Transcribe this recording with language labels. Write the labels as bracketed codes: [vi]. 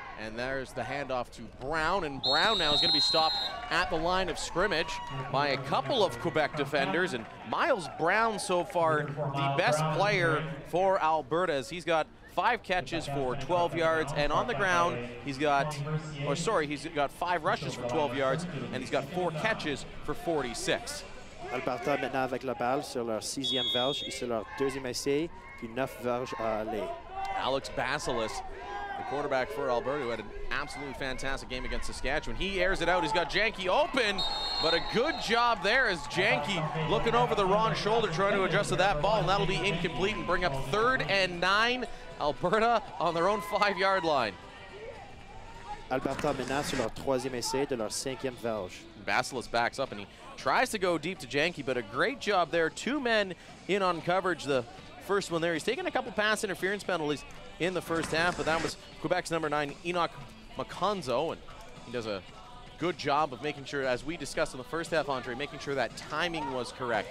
[en] And there's the handoff to Brown, and Brown now is going to be stopped at the line of scrimmage by a couple of Quebec defenders. And Miles Brown so far, the best player for Alberta, as he's got five catches for 12 yards, and on the ground, he's got five rushes for 12 yards, and he's got four catches for 46. [fr] Alberta maintenant avec la balle sur leur sixième verge, et sur leur deuxième essai, puis neuf verges à aller. [en] Alex Basilis, the quarterback for Alberta, who had an absolutely fantastic game against Saskatchewan. He airs it out. He's got Janke open, but a good job there as Janke looking over the wrong shoulder, trying to adjust to that ball, and that'll be incomplete and bring up third and nine. Alberta on their own 5-yard line. [fr] Alberta maintenant sur leur troisième essai de leur cinquième verge. [en] Basilis backs up and he tries to go deep to Janke, but a great job there. Two men in on coverage. The first one there, he's taken a couple pass interference penalties in the first half, but that was Quebec's number nine, Enoch Makonzo, and he does a good job of making sure, as we discussed in the first half, Andre, making sure that timing was correct.